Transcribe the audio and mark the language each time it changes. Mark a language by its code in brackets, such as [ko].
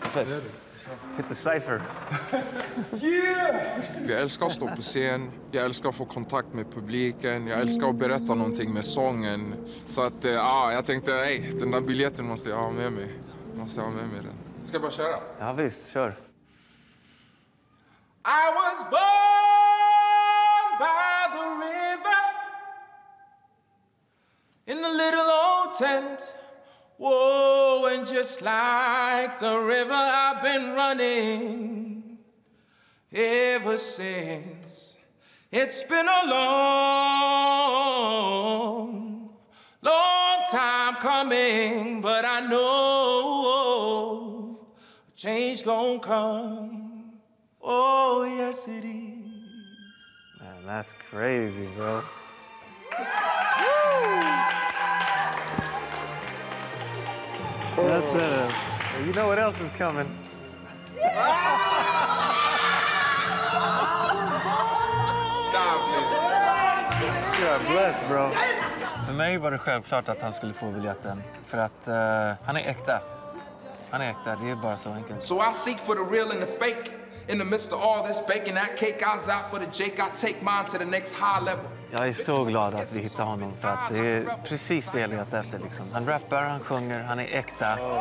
[sv] Perfekt. Det är det. [en] Hit the cypher. Yeah! [sv] Jag älskar att stå på scen. Jag älskar att få kontakt med publiken. Jag älskar att berätta någonting med sången. Så att jag tänkte, nej, den där biljetten måste jag ha med mig. Måste jag ha med mig den. Ska jag bara köra? Ja visst, kör. [en] I was born by the river in a little old tent. Whoa, and just like the river I've been running ever since. It's been a long, long time coming, but I know a change gonna come. Oh, yes it is. Man, that's crazy, bro. That's it. You know what else is coming? Stop it. You are blessed, bro. [sv] För mig var det självklart att han skulle få biljetten. För att han är äkta. Han är äkta, det är bara så enkelt. [en] So I seek for the real and the fake. In the midst of all this baking that cake, eyes out for the Jake. I take mine to the next high level. [sv] Jag är så glad att vi hittade honom, för att det är precis det jag letade efter. Liksom. Han rappar, han sjunger, han är äkta.